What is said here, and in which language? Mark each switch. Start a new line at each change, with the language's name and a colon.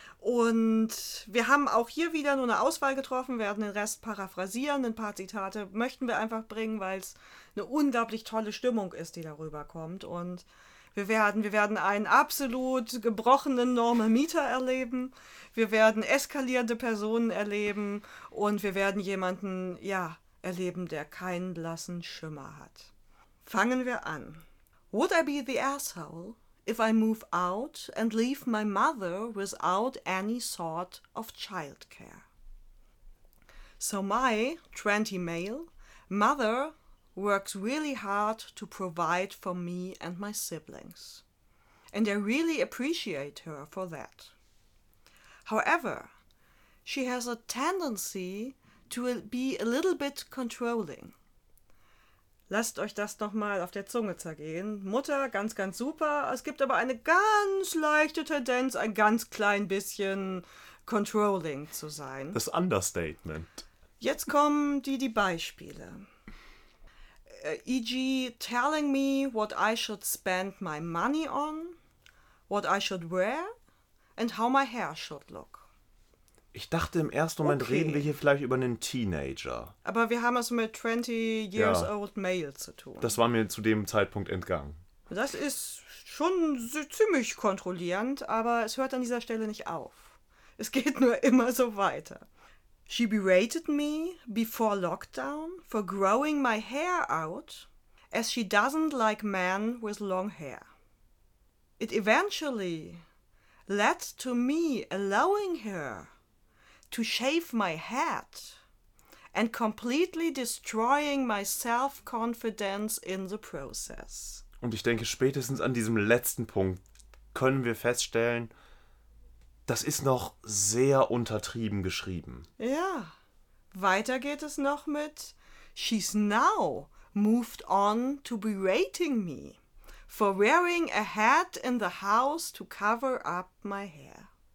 German: Und wir haben auch hier wieder nur eine Auswahl getroffen, werden den Rest paraphrasieren, ein paar Zitate möchten wir einfach bringen, weil es eine unglaublich tolle Stimmung ist, die darüber kommt. Und Wir werden einen absolut gebrochenen Normal Meter erleben. Wir werden eskalierende Personen erleben. Und wir werden jemanden, ja, erleben, der keinen blassen Schimmer hat. Fangen wir an.
English: Would I be the asshole if I move out and leave my mother without any sort of childcare? So my 20 male mother works really hard to provide for me and my siblings. And I really appreciate her for that. However, she has a tendency to be a little bit controlling.
German: Lasst euch das nochmal auf der Zunge zergehen. Mutter, ganz, ganz super. Es gibt aber eine ganz leichte Tendenz, ein ganz klein bisschen controlling zu sein. Das Understatement. Jetzt kommen die Beispiele. E.g.
English: telling me what I should spend my money on, what I should wear and how my hair should look.
German: Ich dachte, im ersten Moment reden wir hier vielleicht über einen Teenager. Aber wir haben es mit
English: 20 years
German: ja.
English: old male
German: zu tun. Das war mir zu dem Zeitpunkt entgangen. Das ist schon ziemlich kontrollierend, aber es hört an dieser Stelle nicht auf. Es geht nur immer so weiter.
English: She berated me before lockdown for growing my hair out, as she doesn't like men with long hair. It eventually led to me allowing her to shave my head and completely destroying my self-confidence in the process.
German: Und ich denke, spätestens an diesem letzten Punkt können wir feststellen, das ist noch sehr untertrieben geschrieben. Ja, weiter geht es noch mit
English: She's now moved on to berating me for wearing a hat in the house to cover up my hair.